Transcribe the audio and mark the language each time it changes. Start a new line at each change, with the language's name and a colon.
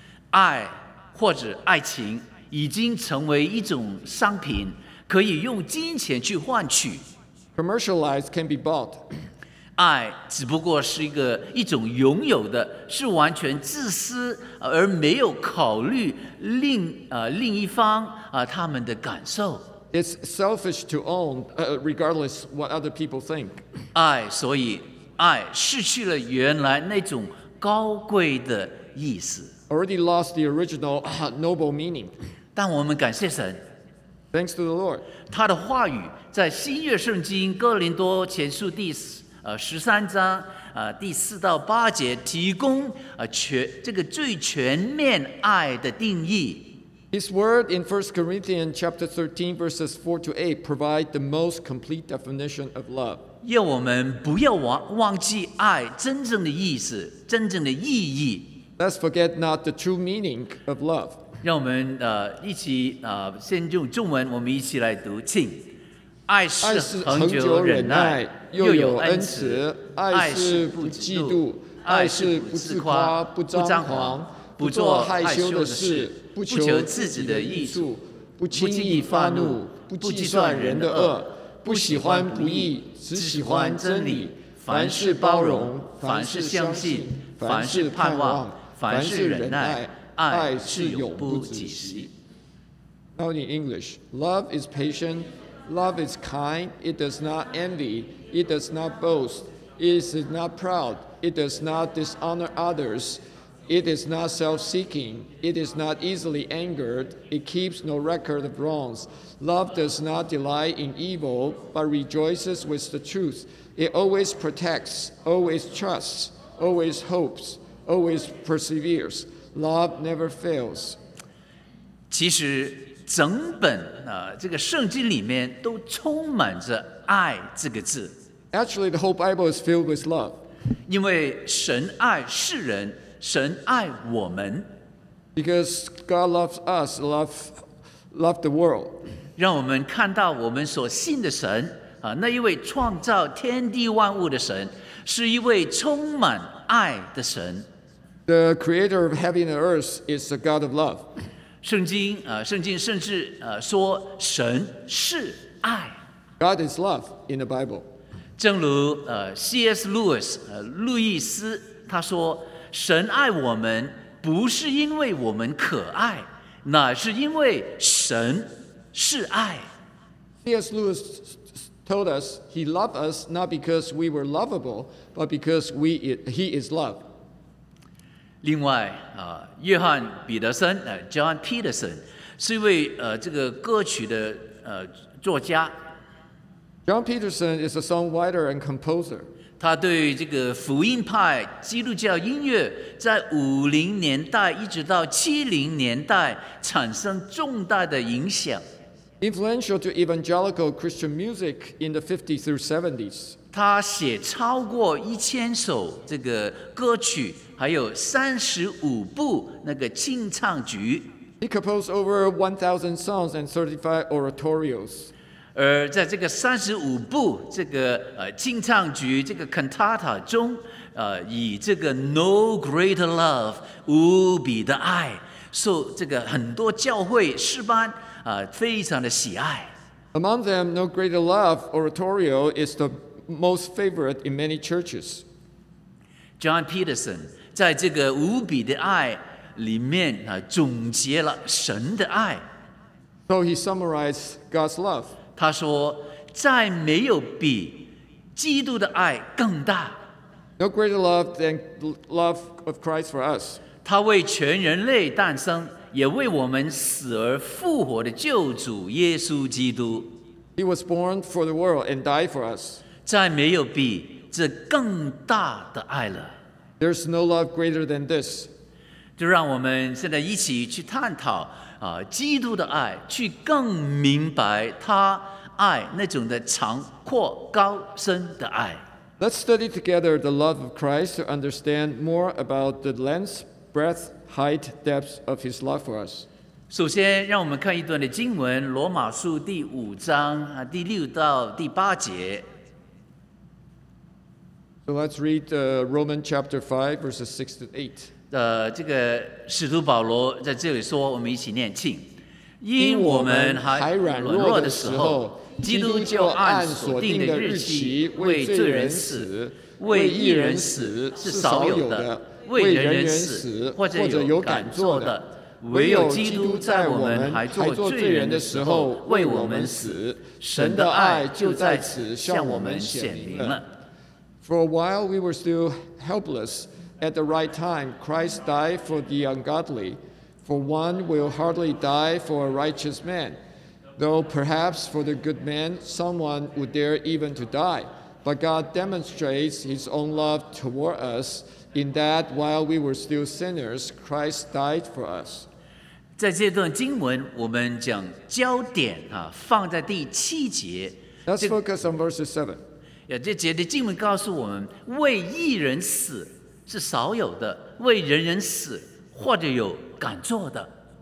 Chinese: 爱或者爱情已经成为一种商品，可以用金钱去换取。
English: Commercialized can be bought.
Chinese: 爱只不过是一种拥有的，是完全自私而没有考虑另一方他们的感受。
English: It's selfish to own, regardless what other people think.
Chinese: 爱，所以。爱失去了原来那种高贵的意思。
English: already lost the original noble meaning.
Chinese: 但我们感谢神。
English: Thanks to the Lord.
Chinese: 他的话语在新约圣经哥林多前书第十三章第四到八节提供这个最全面爱的定义。
English: His word in 1 Corinthians chapter 13 verses 4 to 8 provide the most complete definition of love.
Chinese: 要我们不要忘记爱真正的意思，真正的意义。
English: Let's forget not the true meaning of love.
Chinese: 让我们一起先用中文，我们一起来读，请。爱是恒久忍耐，又有恩慈；爱是不嫉妒，爱是不自夸，不张狂，不做害羞的事，不求自己的益处，不轻易发怒，不计算人的恶，不喜欢不义，只喜欢真理。凡事包容，凡事相信，凡事盼望，凡事忍耐，爱是永不止息。
English: Now in English, love is patient, love is kind, it does not envy, it does not boast, it is not proud, it does not dishonor others. It is not self-seeking. It is not easily angered. It keeps no record of wrongs. Love does not delight in evil, but rejoices with the truth. It always protects, always trusts, always hopes, always perseveres. Love never fails.
Chinese: 其实整本这个圣经里面都充满着爱这个字。
English: Actually, the whole Bible is filled with love.
Chinese: 因为神爱世人。神爱我们
English: ，because God loves us, love the world.
Chinese: 让我们看到我们所信的神那一位创造天地万物的神，是一位充满爱的神。
English: The creator of heaven and earth is the God of love.
Chinese: 圣经甚至说神是爱。
English: God is love in the Bible.
Chinese: 正如C.S. Lewis 路易斯他说。神爱我们不是因为我们可爱，乃是因为神是爱。
English: C.S. Lewis told us he loved us not because we were lovable, but because he is love.
Chinese: 另外，约翰·彼得森John Peterson 是一位这个歌曲的作家。
English: John Peterson is a songwriter and composer.
Chinese: 他对这个福音派基督教音乐在50年代一直到70年代产生重大的影响。
English: Influential to evangelical Christian music in the 50s through 70s.
Chinese: 他写超过1000首这个歌曲，还有35部那个清唱剧。
English: He composed over 1,000 songs and 35 oratorios.
Chinese: 而在这个35部这个清唱剧这个 cantata 中以这个 no greater love 无比的爱受这个很多教会诗班非常的喜爱。
English: Among them, no greater love oratorio is the most favorite in many churches.
Chinese: John Peterson 在这个无比的爱里面总结了神的爱。
English: So he summarized God's love.
Chinese: 他说：“再没有比基督的爱更大。
English: ”No greater love than love of Christ for us.
Chinese: 他为全人类诞生，也为我们死而复活的救主耶稣基督。
English: He was born for the world and died for us.
Chinese: 再没有比这更大的爱了。
English: There's no love greater than this.
Chinese: 就让我们现在一起去探讨。基督的爱去更明白他爱那种的长阔高深的爱。
English: Let's study together the love of Christ to understand more about the length, breadth, height, depth of his love for us.
Chinese: 首先让我们看一段的经文罗马书第五章第六到第八节。
English: So let's read Romans chapter 5 verses 6 to 8.
Chinese: 这个使徒保罗在这里说，我们一起念，请。因我们还软弱的时候，基督就按所定的日期为罪人死，为义人死是少有的，为人人死或者有敢做的，唯有基督在我们还做罪人的时候为我们死，神的爱就在此向我们显明了。
English: For a while we were still helpless. At the right time, Christ died for the ungodly, for one will hardly die for a righteous man, though perhaps for the good man, someone would dare even to die. But God demonstrates his own love toward us in that while we were still sinners, Christ died for us.
Chinese: 在这段经文，我们将焦点啊放在第七节。
English: Let's focus on verse 7.
Chinese: 这节的经文告诉我们，为义人死是少有的，为人人死或者有敢做的。